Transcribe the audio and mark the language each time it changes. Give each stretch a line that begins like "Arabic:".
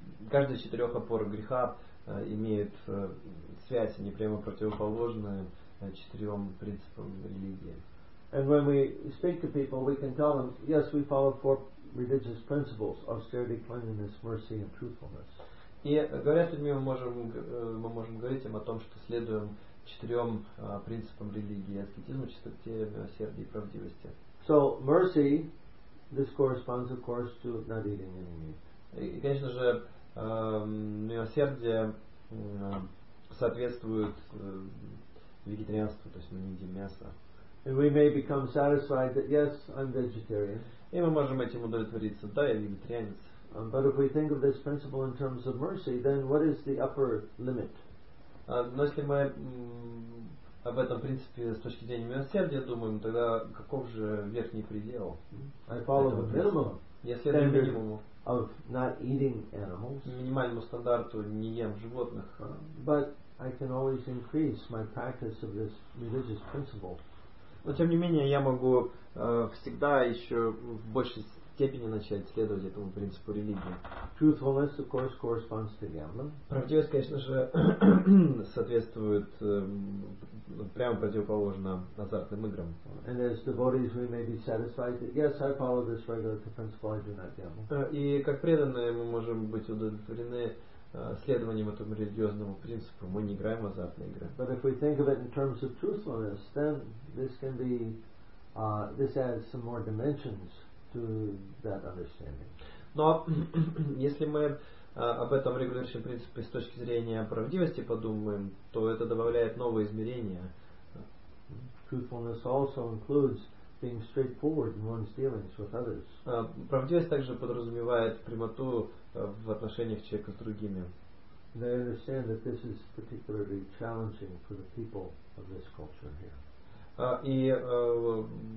Russian: Каждая из четырех опор греха имеет связь, они прямо противоположные четырем принципам религии.
English: And when we speak to people, we can tell them, yes, we follow four religious principles: austerity, cleanliness, mercy, and truthfulness.
Russian: И говоря с людьми, мы можем говорить им о том, что следуем четырем принципам религии: аскетизму, чистоте, милосердии и правдивости.
English: So mercy, this corresponds, of course, to not eating any meat.
Russian: И, конечно же, милосердие соответствует вегетарианству, то есть мы не едим мясо.
English: And we may become satisfied that yes, I'm vegetarian.
Russian: И мы можем этим удовлетвориться, да, я вегетарианец.
English: But if we think of this principle in terms of mercy, then what is the upper limit?
Russian: Но если мы об этом принципе с точки зрения милосердия думаем, тогда каков же верхний предел?
English: I follow the minimum.
Russian: Я следую минимуму.
English: Of not eating animals.
Russian: Минимальному стандарту не ем животных.
English: But I can always increase my practice of this religious principle.
Russian: Но тем не менее я могу всегда еще в большей степени начать следовать этому принципу религии.
English: Truthfulness, of course, corresponds to gambling.
Russian: Правдивость, конечно же, соответствует прямо противоположно азартным играм.
English: And as devotees, we may be satisfied that yes, I follow this regulative principle, I do not gamble.
Russian: И как преданные мы можем быть удовлетворены следованием этому религиозному принципу, мы не играем в азартные игры.
English: But if we think of it in terms of truthfulness, then this can be this adds some more dimensions to that understanding.
Russian: Но если мы об этом регулирующем принципе с точки зрения правдивости подумаем, то это добавляет новые измерения.
English: Truthfulness also includes being straightforward in one's dealings with others.
Russian: Правдивость также подразумевает прямоту в отношениях человека с другими.
English: And I understand that this is particularly challenging for the people of this culture here.